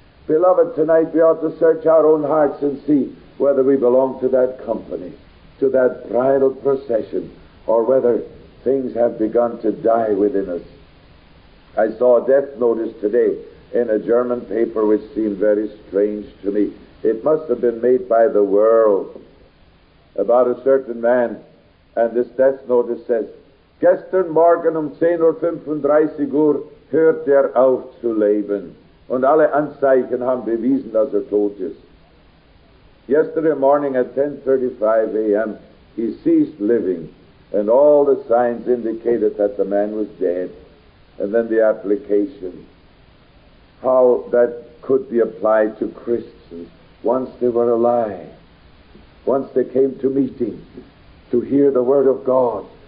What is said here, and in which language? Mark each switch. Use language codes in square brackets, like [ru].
[en] Beloved, tonight we ought to search our own hearts and see whether we belong to that company, to that bridal procession, or whether things have begun to die within us. I saw a death notice today in a German paper which seemed very strange to me. It must have been made by the world, about a certain man. And this death notice says, [de] gestern morgen 10:35 Uhr hört auf zu leben. Und alle Anzeichen haben bewiesen, dass tot ist. [en] Yesterday morning at 10:35 a.m., he ceased living, and all the signs indicated that the man was dead. And then the application, how that could be applied to Christians once they were alive, once they came to meeting, to hear the word of God.